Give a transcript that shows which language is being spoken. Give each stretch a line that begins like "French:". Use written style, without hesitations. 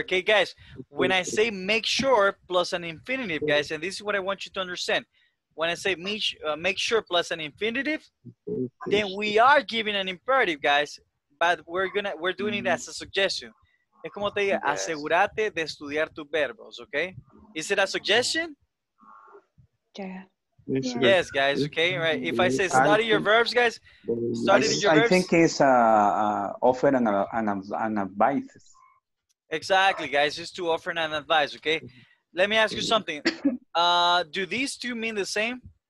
English: Okay, guys, when I say make sure plus an infinitive, guys, and this is what I want you to understand. when I say make sure plus an infinitive, then we are giving an imperative, guys. But we're doing it as a suggestion.
Spanish: Es como te diga, asegúrate de estudiar tus verbos, okay?
English: Is it a suggestion? Yeah. Yes, guys, okay, right. If I say study your verbs, guys, study your verbs. I think it's offer an advice. Exactly, guys, it's to offer an advice, okay? Let me ask you something. Do these two mean the same?